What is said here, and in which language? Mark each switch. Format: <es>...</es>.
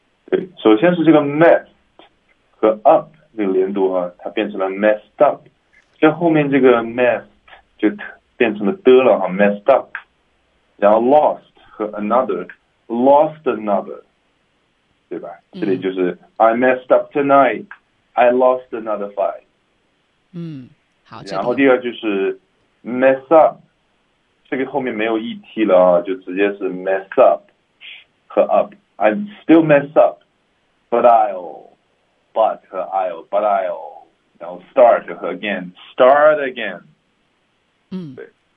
<zh>对，首先是这个 met 和 up 这个连读啊，它变成了 messed up， 就后面这个 messed 就变成了的了哈 ，messed up， 然后 lost 和 another，lost another， 对吧？这里就是、</zh> <en>I messed up tonight。 I lost another fight。</en> <zh>好。然后第二就是 mess up， 这个后面没有 et 了啊，就直接是 mess up 和 up。</zh> <en>I'm still mess up， but I'll， 然后 start 和 again， start again。对。</en>